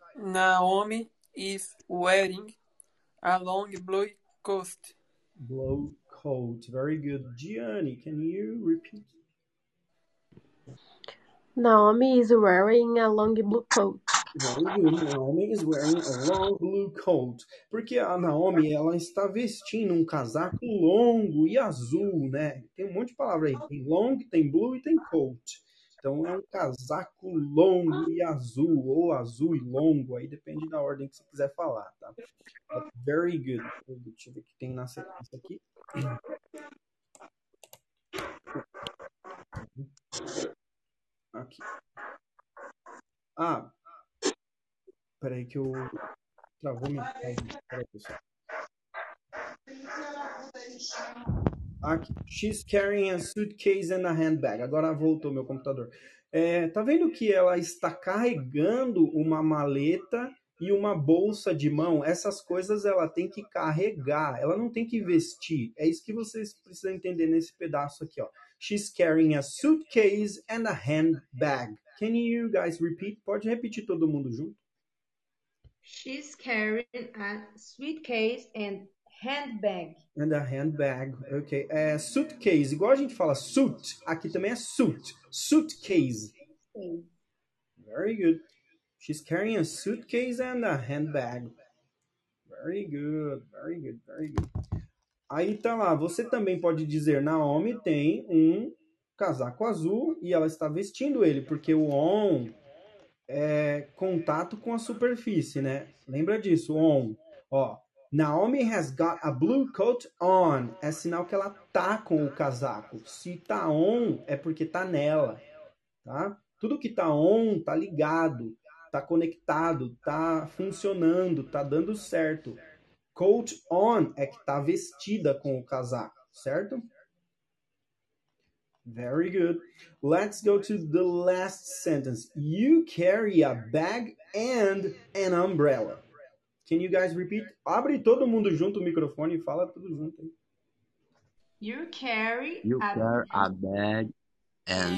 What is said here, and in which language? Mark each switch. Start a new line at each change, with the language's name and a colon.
English: Naomi is wearing a long blue coat. Blue coat. Very good. Gianni, can you repeat? Naomi is wearing a long blue coat. Naomi is wearing a long blue coat.
Portuguese: Porque a Naomi, ela está vestindo um casaco longo e azul, né? Tem um monte de palavra aí. Tem long, tem blue e tem coat. Então é um casaco longo e azul, ou azul e longo, aí depende da ordem que você quiser falar, tá?
English: But very good.
Portuguese: Deixa eu ver o que tem na sequência aqui. Aqui. Ah. Peraí que eu travou minha tela. Peraí, pessoal. Aqui.
English: She's carrying a suitcase and a handbag.
Portuguese: Agora voltou meu computador. É, tá vendo que ela está carregando uma maleta e uma bolsa de mão? Essas coisas ela tem que carregar. Ela não tem que vestir. É isso que vocês precisam entender nesse pedaço aqui, ó.
English: She's carrying a suitcase and a handbag. Can you guys repeat?
Portuguese: Pode repetir todo mundo junto?
English: She's carrying a suitcase and handbag. And a handbag, ok.
Portuguese: É suitcase, igual a gente fala suit, aqui também é suit.
English: Suitcase. Very good. She's carrying a suitcase and a handbag. Very good, very good, very good.
Portuguese: Aí tá lá, você também pode dizer: Naomi tem um casaco azul e ela está vestindo ele, porque o on é contato com a superfície, né? Lembra disso, on. Ó.
English: Naomi has got a blue coat on.
Portuguese: É sinal que ela tá com o casaco. Se tá on, é porque tá nela, tá? Tudo que tá on, tá ligado, tá conectado, tá funcionando, tá dando certo. Coat on é que tá vestida com o casaco, certo?
English: Very good. Let's go to the last sentence. You carry a bag and an umbrella. Can you guys repeat?
Portuguese: Abre todo mundo junto o microfone e fala tudo junto
English: You carry aí. You a carry a bag and